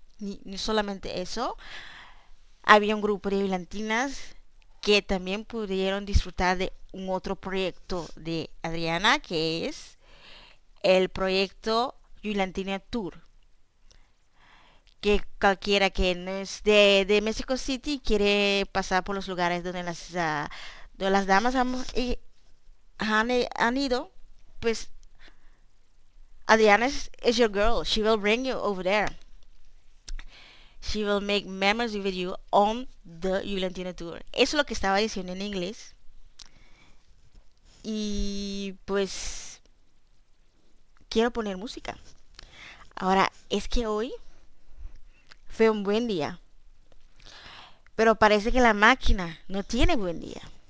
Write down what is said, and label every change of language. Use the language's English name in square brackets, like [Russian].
[Spanish] Ni solamente eso, había un grupo de juliantinas que también pudieron disfrutar de un otro proyecto de Adriana, que es el proyecto Juliantina Tour, que cualquiera que no es de Mexico City quiere pasar por los lugares donde las damas han ido, pues [English] Adriana is your girl. She will bring you over there. She will make memories with you on the Juliantina Tour. [Spanish] Eso es lo que estaba diciendo en inglés. Y pues quiero poner música. Ahora, es que hoy fue un buen día, pero parece que la máquina no tiene buen día.